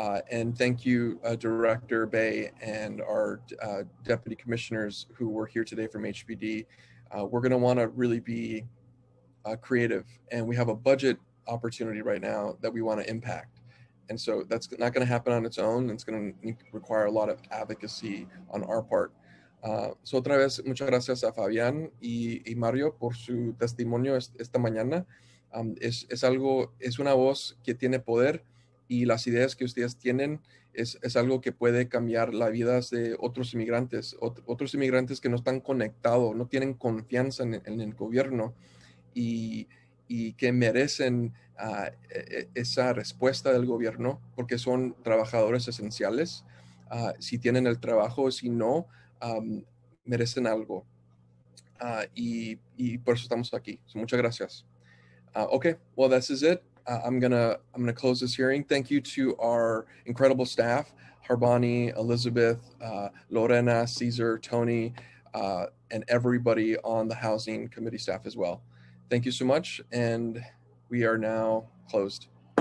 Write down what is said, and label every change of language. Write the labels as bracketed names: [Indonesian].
[English] And thank you, Director Bay and our deputy commissioners who were here today from HPD. We're gonna wanna really be creative, and we have a budget opportunity right now that we wanna impact. And so that's not gonna happen on its own. It's gonna require a lot of advocacy on our part. [Spanish] So otra vez, muchas gracias a Fabián y Mario por su testimonio esta mañana. Es una voz que tiene poder, y las ideas que ustedes tienen es algo que puede cambiar las vidas de otros inmigrantes, otros inmigrantes que no están conectados, no tienen confianza en el gobierno y que merecen esa respuesta del gobierno, porque son trabajadores esenciales. Si tienen el trabajo, si no, merecen algo, y por eso estamos aquí. [English] So [Spanish] muchas gracias. [English] Okay, well, this is it. I'm gonna close this hearing. Thank you to our incredible staff, Harbani, Elizabeth, Lorena, Caesar, Tony, and everybody on the housing committee staff as well. Thank you so much, and we are now closed.